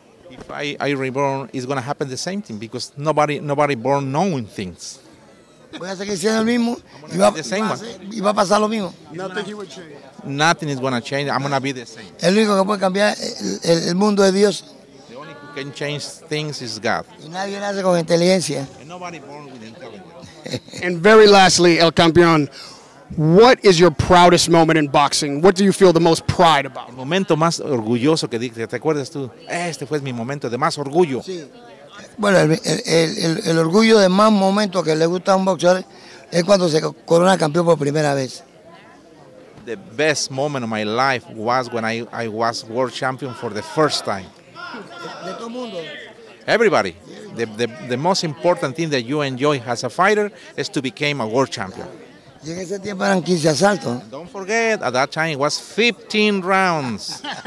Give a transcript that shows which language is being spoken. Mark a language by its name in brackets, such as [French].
[English] If I reborn, it's going to happen the same thing, because nobody born knowing things. [Spanish] Voy a seguir siendo el mismo y va a pasar lo mismo. [English] Nothing is going to change. I'm going to be the same. [Spanish] El único que puede cambiar el mundo es Dios. [English] The only who can change things is God. [Spanish] Y nadie nace con inteligencia. [English] And nobody born with intelligence. And very lastly, El Campeón, what is your proudest moment in boxing? What do you feel the most pride about? [Spanish] El momento más orgulloso que dije, ¿te acuerdas tú? Este fue mi momento de más orgullo. Sí. Bueno, el orgullo de más momento que le gusta a un boxeador es cuando se corona campeón por primera vez. [English] The best moment of my life was when I was world champion for the first time. [Spanish] De todo mundo. [English] Everybody. The most important thing that you enjoy as a fighter is to become a world champion. [Spanish] Y en ese tiempo eran 15 asaltos. [English] And don't forget, at that time it was 15 rounds.